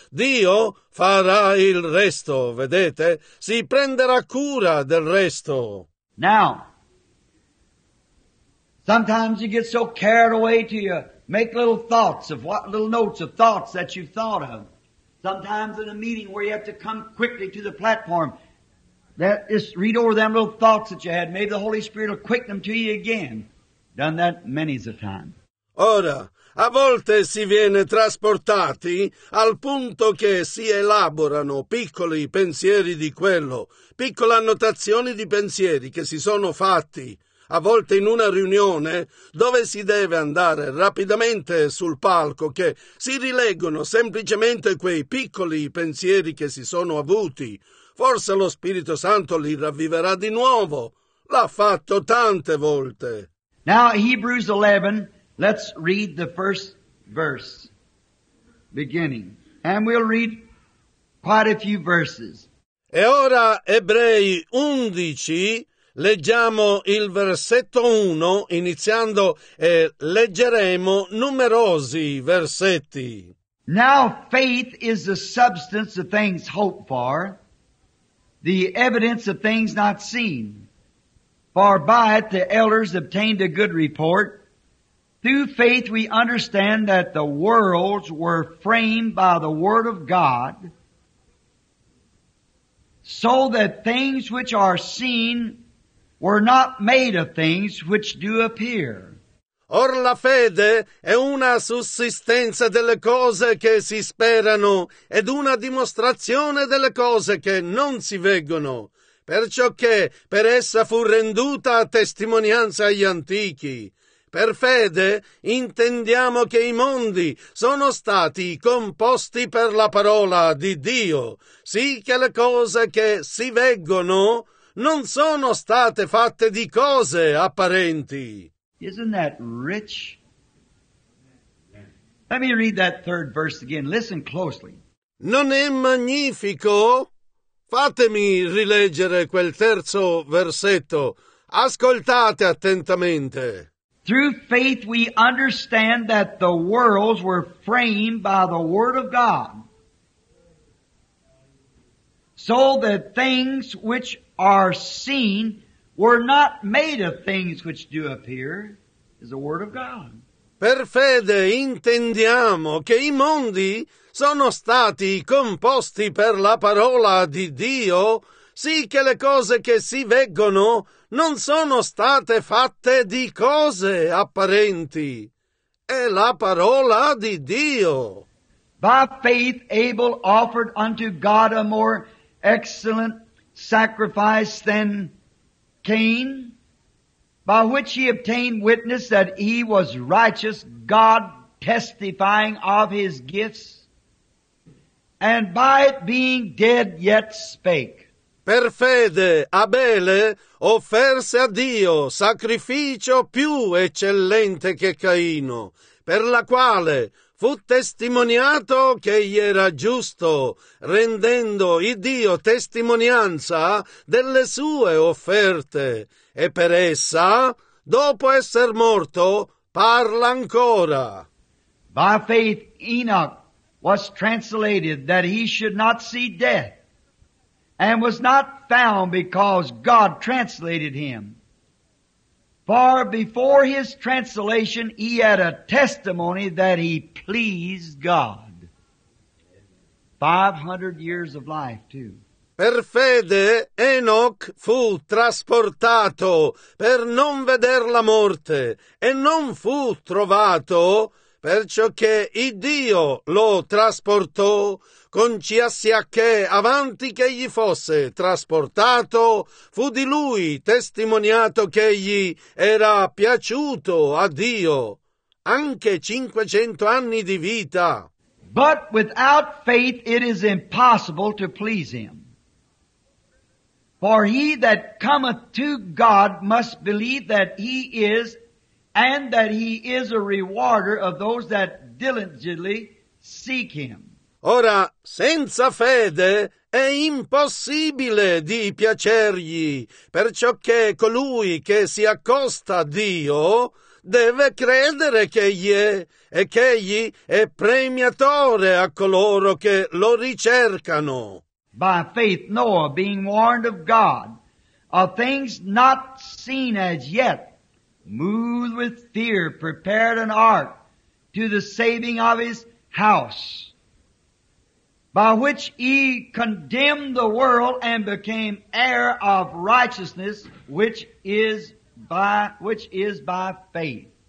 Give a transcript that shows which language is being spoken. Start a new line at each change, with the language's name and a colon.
Italian: Dio farà il resto, vedete? Si prenderà cura del resto.
English: Now, sometimes you get so carried away till you make little thoughts of what little notes of thoughts that you've thought of. Sometimes in a meeting where you have to come quickly to the platform, that just read over them little thoughts that you had. Maybe the Holy Spirit will quicken them to you again. Done that many's a time.
Italian: Ora, a volte si viene trasportati al punto che si elaborano piccoli pensieri di quello, piccole annotazioni di pensieri che si sono fatti. A volte in una riunione dove si deve andare rapidamente sul palco che si rileggono semplicemente quei piccoli pensieri che si sono avuti. Forse lo Spirito Santo li ravviverà di nuovo. L'ha fatto tante volte.
English: Now Hebrews 11, let's read the first verse, beginning. And we'll read quite a few verses.
Italian: E ora Ebrei 11... Leggiamo il versetto 1, iniziando, e leggeremo numerosi versetti.
English: Now faith is the substance of things hoped for, the evidence of things not seen. For by it the elders obtained a good report. Through faith we understand that the worlds were framed by the word of God, so that things which are seen were not made of things which do appear.
Italian: Or la fede è una sussistenza delle cose che si sperano ed una dimostrazione delle cose che non si vedono, perciò che per essa fu renduta testimonianza agli antichi. Per fede intendiamo che i mondi sono stati composti per la parola di Dio, sì che le cose che si vedono non sono state fatte di cose apparenti.
English: Isn't that rich? Let me read that third verse again. Listen closely.
Italian: Non è magnifico? Fatemi rileggere quel terzo versetto. Ascoltate attentamente.
English: Through faith we understand that the worlds were framed by the Word of God, so that things which are seen were not made of things which do appear, is the Word of God.
Italian: Per fede intendiamo che i mondi sono stati composti per la parola di Dio, sì che le cose che si vedono non sono state fatte di cose apparenti. È la parola di Dio.
English: By faith Abel offered unto God a more excellent sacrifice than Cain, by which he obtained witness that he was righteous, God testifying of his gifts, and by it being dead yet spake.
Italian: Per fede Abele offerse a Dio sacrificio più eccellente che Caino, per la quale fu testimoniato che egli era giusto, rendendo il Dio testimonianza delle sue offerte, e per essa, dopo esser morto, parla ancora.
English: By faith Enoch was translated that he should not see death, and was not found because God translated him. For before his translation he had a testimony that he pleased God. 500 years of life too.
Italian: Per fede Enoch fu trasportato per non veder la morte e non fu trovato, perciò che il Dio lo trasportò, concessia che avanti che egli fosse trasportato, fu di lui testimoniato che egli era piaciuto a Dio, anche 500 anni di vita.
English: But without faith it is impossible to please him. For he that cometh to God must believe that he is, and that he is a rewarder of those that diligently seek him.
Italian: Ora, senza fede è impossibile di piacergli, perciò che colui che si accosta a Dio deve credere che egli è, e che egli è premiatore a coloro che lo ricercano.
English: By faith Noah, being warned of God of things not seen as yet, moved with fear, prepared an ark to the saving of his house, by which he condemned the world and became heir of righteousness, which is by faith.